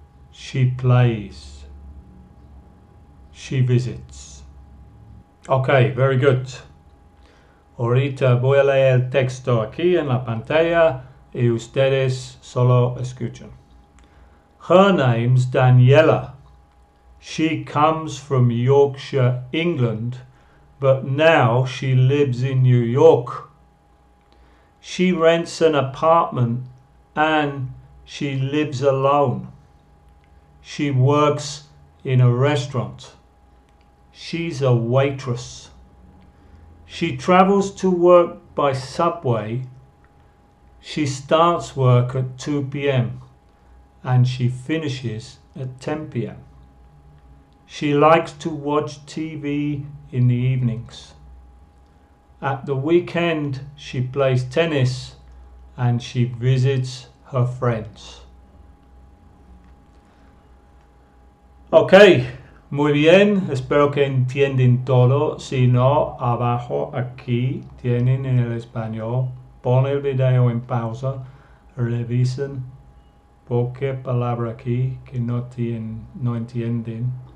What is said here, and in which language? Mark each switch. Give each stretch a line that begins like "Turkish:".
English: She plays. She visits. Ok, very good.
Spanish: Ahorita voy a leer el texto aquí en la pantalla y ustedes solo escuchan.
English: Her name's Daniela. She comes from Yorkshire, England, but now she lives in New York. She rents an apartment and she lives alone. She works in a restaurant. She's a waitress. She travels to work by subway. She starts work at 2 p.m. and she finishes at 10 p.m. She likes to watch TV in the evenings. At the weekend, she plays tennis and she visits her friends.
Spanish: Ok, muy bien. Espero que entiendan todo. Si no, abajo aquí tienen en el español. Pon el video en pausa. Revisen cualquier palabra aquí que no entienden.